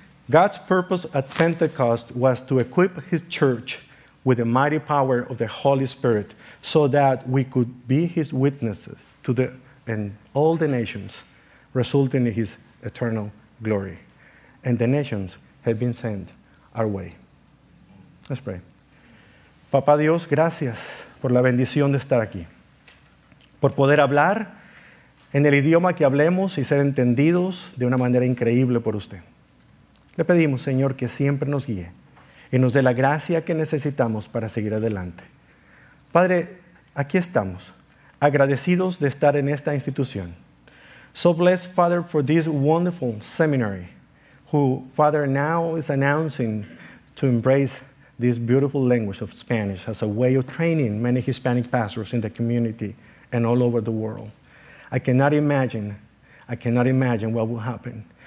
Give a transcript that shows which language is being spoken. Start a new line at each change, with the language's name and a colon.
English: God's purpose at Pentecost was to equip his church with the mighty power of the Holy Spirit so that we could be his witnesses to the and all the nations, resulting in his eternal glory. And the nations have been sent our way. Let's pray.
Spanish: Papá Dios, gracias por la bendición de estar aquí, por poder hablar en el idioma que hablemos y ser entendidos de una manera increíble por usted. Le pedimos, Señor, que siempre nos guíe y nos dé la gracia que necesitamos para seguir adelante. Padre, aquí estamos, agradecidos de estar en esta institución.
English: So blessed, Father, for this wonderful seminary, who, Father, now is announcing to embrace this beautiful language of Spanish as a way of training many Hispanic pastors in the community and all over the world. I cannot imagine what will happen.